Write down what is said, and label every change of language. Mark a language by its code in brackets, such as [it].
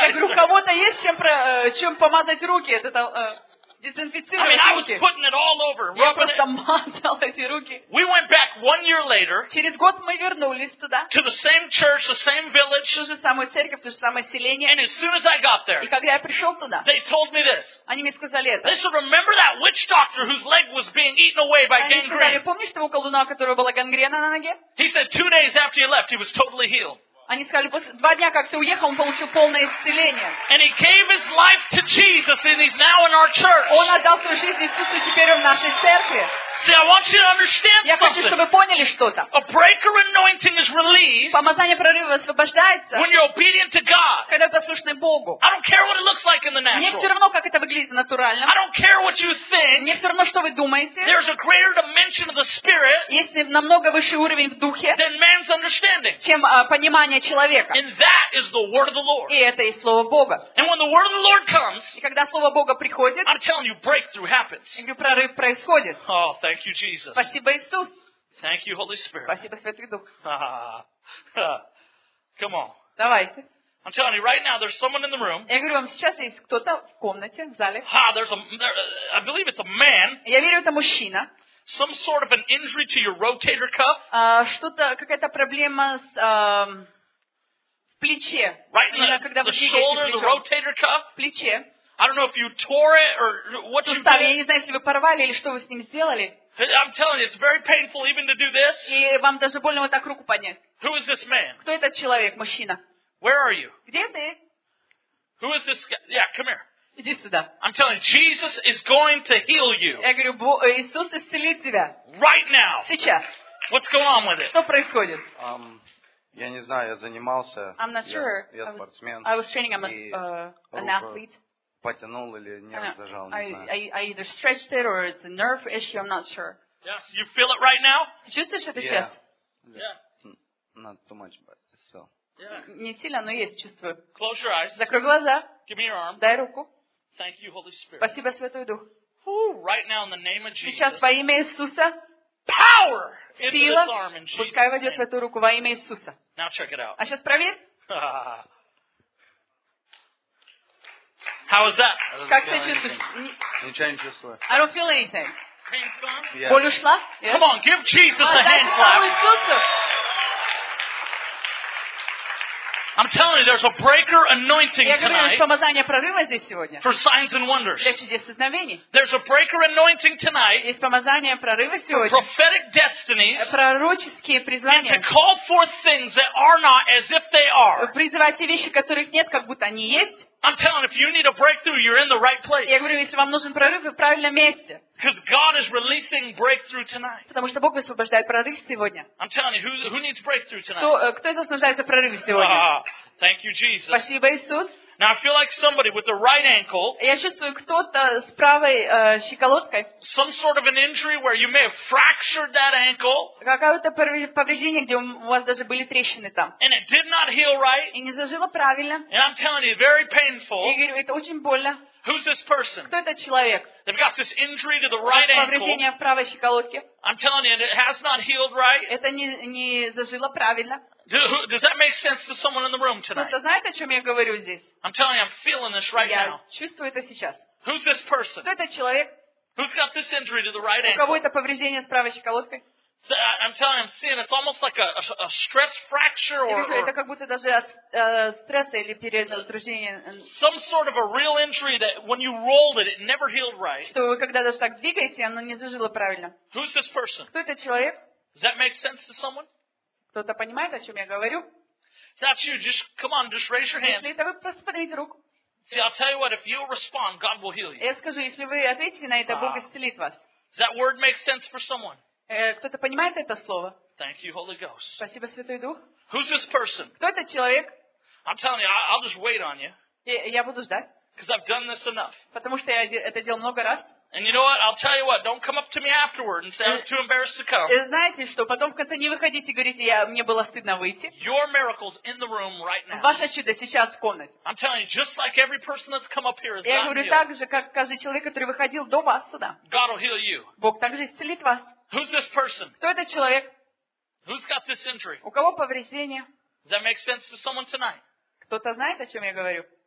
[ru] Я говорю, у кого-то есть чем помазать руки? Это дезинфицировать руки. [en] I mean, I was putting it all over, rubbing it. We went back 1 year later. [ru] Через год мы вернулись туда. [en] To the same church, the same village. [ru] Ту же самую церковь, то же самое селение. [en] And as soon as I got there, [ru] и когда я пришел туда, [en] they told me this. [ru] Они мне сказали это. [en] They said, remember that witch doctor whose leg was being eaten away by gangrene? [ru] Они сказали, помнишь того колдуна, у которого была гангрена на ноге? [en] He said, 2 days after you left, he was totally healed. [ru] Они сказали, после 2 дня, как ты уехал, он получил полное исцеление. [en] And he gave his life to Jesus, and he's now in our church. [ru] Он отдал свою жизнь Иисусу, теперь он в нашей церкви. [en] See, I want you to understand something. [ru] Я хочу, чтобы вы поняли что-то. [en] A breaker anointing is released. [ru] Помазание прорыва освобождается. [en] When you're obedient to God. [ru] Когда послушны Богу. [en] I don't care what it looks like in the natural. [ru] Мне все равно, как это выглядит в натуральном. [en] I don't care what you think. [ru] Мне все равно, что вы думаете. [en] There's a greater dimension of the spirit. [ru] Есть намного высший уровень в духе. [en] Than man's understanding. [ru] Чем понимание человека. [en] And that is the word of the Lord. [ru] И это и слово Бога. [en] And when the word of the Lord comes. [ru] И когда слово Бога приходит. [en] I'm telling you, breakthrough happens. [ru] И говорю, прорыв происходит. [en] Thank you, Jesus. [ru] Спасибо, Иисус. [en] Thank you, Holy Spirit. [ru] Спасибо, Святой Дух. [en] Come on. [ru] Давайте. [en] I'm telling you, right now, there's someone in the room. [ru] Я говорю вам, сейчас есть кто-то в комнате, в зале. [en] Ha, there's a, there, I believe it's a man. [ru] Я верю, это мужчина. [en] Some sort of an injury to your rotator cuff. [ru] Что-то, какая-то проблема с плече. [en] Right in the shoulder, the rotator cuff. [ru] Плече. [en] I don't know if you tore it or what you did. [ru] Я не знаю, если вы порвали или что вы с ним сделали. [en] I'm telling you, it's very painful even to do this. [ru] И вам даже больно вот так руку поднять. [en] Who is this man? [ru] Кто этот человек, мужчина? [en] Where are you? [ru] Где ты? [en] Who is this guy? Yeah, come here. [ru] Иди сюда. [en] I'm telling you, Jesus is going to heal you. [ru] Я говорю, Иисус исцелит тебя. [en] Right now. [ru] Сейчас. [en] What's going on with it? [ru] Что происходит? Я не знаю, я занимался. [en] I'm not sure. [ru] Я спортсмен. [en] I was training. I'm an athlete. [ru] Потянул или нерв зажал, не знаю. [en] I either stretched it or it's a nerve issue, I'm not sure. Yes, you feel it right now? [ru] Ты чувствуешь это [en] yeah. [ru] сейчас? [en] Yeah. Not too much, but still. Yeah. [ru] Не сильно, но есть, чувствую. [en] Close your eyes. [ru] Закрой глаза. [en] Give me your arm. [ru] Дай руку. [en] Thank you, Holy Spirit. [ru] Спасибо, Святой Дух. [en] Right now, in the name of Jesus. [ru] Сейчас во имя Иисуса. [en] Power [ru] сила, [en] into this arm in Jesus' [ru] пускай войдет в эту руку во имя Иисуса. [en] Now check it out. [ru] А сейчас проверь. [en] How is that? [ru] Как ты чувствуешь? Ничего не чувствую. [en] I don't feel anything. Pain's gone? Yeah. [ru] Боль ушла? [en] Yes. Come on, give Jesus a hand clap. I'm telling you, there's a breaker anointing tonight. For signs and wonders. There's a breaker anointing tonight. For prophetic destinies. And to call forth things that are not as if they are. [ru] Призывать те вещи, которых нет, как будто они есть. [en] I'm telling you, if you need a breakthrough, you're in the right place. [ru] Я говорю, если вам нужен прорыв, вы в правильном месте. [en] Because God is releasing breakthrough tonight. [ru] Потому что Бог высвобождает прорыв сегодня. [en] I'm telling you, who needs breakthrough tonight? [ru] Кто из вас нуждается в прорыве сегодня? [en] Thank you, Jesus. [ru] Спасибо, Иисус. [en] Now I feel like somebody with the right ankle. [ru] Я чувствую кто-то с правой щиколоткой. [en] Some sort of an injury where you may have fractured that ankle. [ru] Какое-то повреждение, где у вас даже были трещины там. [en] And it did not heal right. [ru] И не зажило правильно. [en] And I'm telling you, very painful. [ru] Я говорю, это очень больно. [en] Who's this person? [ru] Кто этот человек? [en] They've got this injury to the right ankle. [ru] Повреждение в правой щиколотке. [en] I'm telling you, it has not healed right. [ru] Это не зажило правильно. [en] Does that make sense to someone in the room tonight? [ru] Кто-то знает, о чем я говорю здесь? [en] I'm telling you, I'm feeling this right now. [ru] Я чувствую это сейчас. [en] Who's this person? [ru] Кто этот человек? [en] Who's got this injury to the right ankle? [ru] У кого это повреждение с правой щиколоткой? [en] I'm telling you, I'm seeing it's almost like a stress fracture or [ru] это как будто даже от стресса или перенапряжения. [en] Some sort of a real injury that when you rolled it, it never healed right. [ru] Что вы когда даже так двигаете, оно не зажило правильно. [en] Who's this person? [ru] Кто этот человек? [en] Does that make sense to someone? [ru] Кто-то понимает, о чем я говорю? [en] That's you. Just come on, just raise your hand. [ru] Если это вы, просто поднимите руку. [en] See, I'll tell you what. If you respond, God will heal you. [ru] Я скажу, если вы ответите на это, Бог исцелит вас. [en] Does that word make sense for someone? [ru] Кто-то понимает это слово? [en] Thank you, Holy Ghost. [ru] Спасибо, Святой Дух. [en] Who's this person? [ru] Кто этот человек? [en] I'm telling you, I'll just wait on you. [ru] Я буду ждать. [en] Because I've done this enough. [ru] Потому что я это делал много раз. [en] And you know what? I'll tell you what. Don't come up to me afterward and say I was too embarrassed to come. [ru] И знаете что? Потом в конце не выходите и говорите, мне было стыдно выйти. [en] Your miracle's in the room right now. [ru] Ваше чудо сейчас в комнате. [en] I'm telling you, just like every person that's come up here has healed. [ru] Я говорю так же, как каждый человек, который выходил до вас сюда. [en] God will heal you. [ru] Бог также исцелит вас. [en] Who's this person? [ru] Кто этот человек? [en] Who's got this injury? [ru] У кого повреждение? [en] Does that make sense to someone tonight? [ru] Кто-то знает, о чем я говорю?